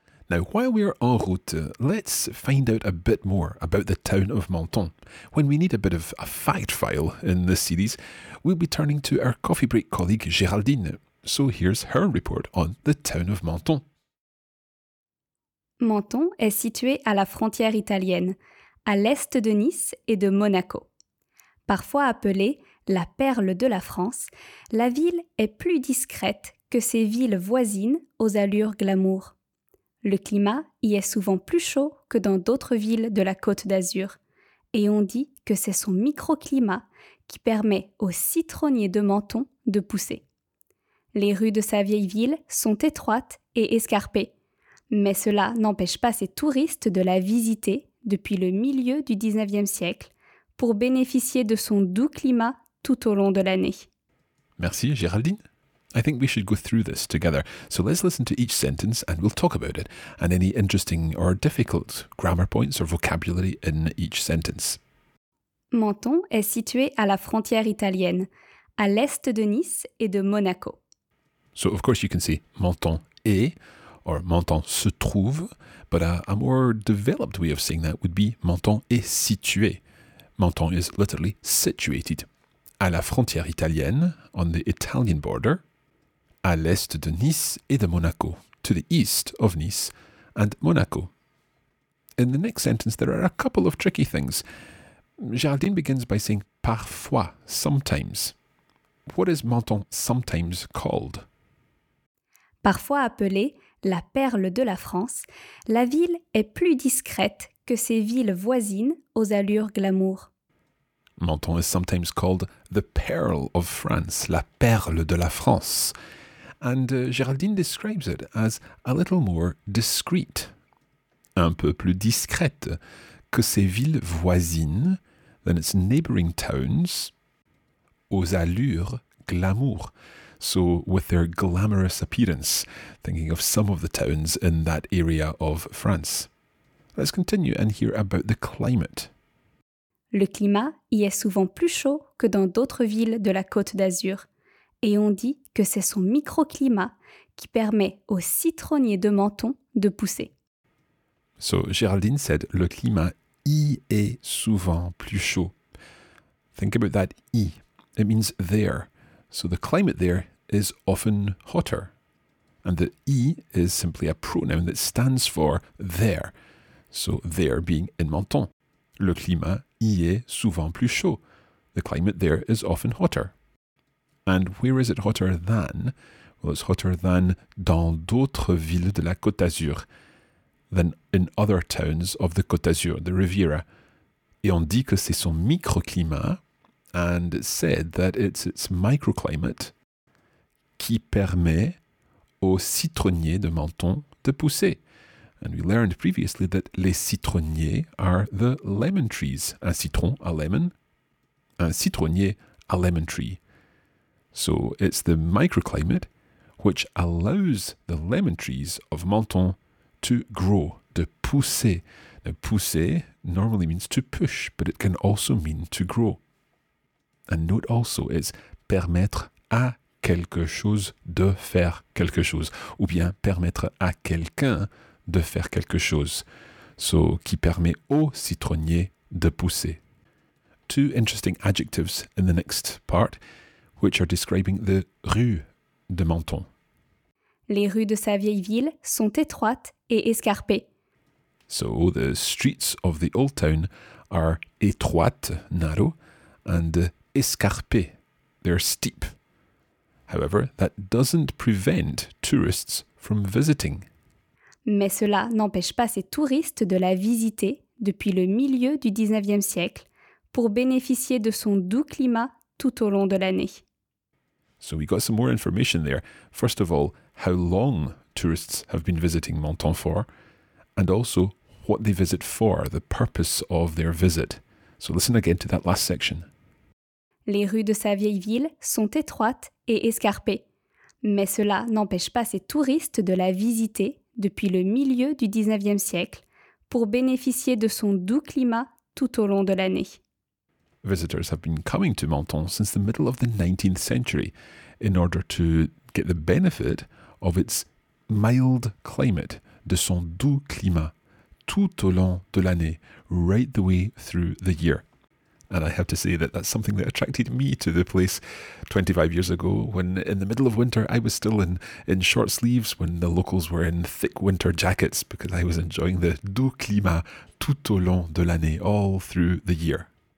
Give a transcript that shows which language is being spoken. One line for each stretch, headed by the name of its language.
English: Now, while we are en route, let's find out a bit more about the town of Menton. When we need a bit of a fact file in this series, we'll be turning to our coffee break colleague Géraldine. So here's her report on the town of Menton.
French: Menton est situé à la frontière italienne, à l'est de Nice et de Monaco. Parfois appelée la perle de la France, la ville est plus discrète que ses villes voisines aux allures glamour. Le climat y est souvent plus chaud que dans d'autres villes de la Côte d'Azur, et on dit que c'est son microclimat qui permet aux citronniers de Menton de pousser. Les rues de sa vieille ville sont étroites et escarpées, mais cela n'empêche pas ses touristes de la visiter depuis le milieu du 19e siècle pour bénéficier de son doux climat tout au long de l'année. Merci Géraldine.
English: I think we should go through this together. So let's listen to each sentence and we'll talk about it and any interesting or difficult grammar points or vocabulary in each sentence.
French: Menton est situé à la frontière italienne, à l'est de Nice et de Monaco.
English: So of course you can say
French: Menton est,
English: or
French: Menton se trouve,
English: but a more developed way of saying that would be
French: Menton est situé.
English: Menton is literally situated.
French: À la frontière italienne,
English: on the Italian border,
French: à l'est de Nice et de Monaco,
English: to the east of Nice and Monaco. In the next sentence, there are a couple of tricky things. Géraldine begins by saying parfois, sometimes. What is Menton sometimes called?
French: Parfois appelé la perle de la France, la ville est plus discrète que ses villes voisines aux allures glamour.
English: Menton is sometimes called the pearl of France,
French: la perle de la France.
English: And Géraldine describes it as a little more discreet.
French: Un peu plus discrète que ses villes voisines,
English: than its neighboring towns,
French: aux allures glamour.
English: So with their glamorous appearance, thinking of some of the towns in that area of France. Let's continue and hear about the climate.
French: Le climat y est souvent plus chaud que dans d'autres villes de la Côte d'Azur. Et on dit que c'est son microclimat qui permet aux citronniers de Menton de pousser.
English: So Géraldine said
French: le climat y est souvent plus chaud.
English: Think about that y. It means there. So the climate there is often hotter. And the y is simply a pronoun that stands for there. So there being in Menton.
French: Le climat y est souvent plus chaud.
English: The climate there is often hotter. And where is it hotter than? Well, it's hotter than
French: dans d'autres villes de la Côte d'Azur.
English: Than in other towns of the Côte d'Azur, the Riviera.
French: Et on dit que c'est son microclimat.
English: And it said that it's its microclimate
French: qui permet aux citronniers de Menton de pousser.
English: And we learned previously that les citronniers are the lemon trees.
French: Un citron,
English: a lemon.
French: Un citronnier,
English: a lemon tree. So it's the microclimate which allows the lemon trees of Menton to grow,
French: de pousser.
English: Now, pousser normally means to push, but it can also mean to grow. And note also, it's
French: permettre à quelque chose de faire quelque chose, ou bien permettre à quelqu'un de faire quelque chose. So, qui permet au citronnier de pousser.
English: Two interesting adjectives in the next part, which are describing the rue de Menton.
French: Les rues de sa vieille ville sont étroites et escarpées.
English: So, the streets of the old town are étroites, narrow, and escarpé, they're steep. However, that doesn't prevent tourists from visiting.
French: Mais cela n'empêche pas ces touristes de la visiter depuis le milieu du 19e siècle pour bénéficier de son doux climat tout au long de l'année.
English: So we got some more information there. First of all, how long tourists have been visiting Menton for, and also what they visit for, the purpose of their visit. So listen again to that last section.
French: Les rues de sa vieille ville sont étroites et escarpées. Mais cela n'empêche pas ses touristes de la visiter depuis le milieu du 19e siècle pour bénéficier de son doux climat tout au long de l'année.
English: Visitors have been coming to Menton since the middle of the 19th century in order to get the benefit of its mild climate,
French: de son doux climat tout au long de l'année,
English: right the way through the year. And I have to say that that's something that attracted me to the place 25 years ago, when in the middle of winter I was still in short sleeves, when the locals were in thick winter jackets, because I was enjoying the
French: doux climat tout au long de l'année,
English: all through the year.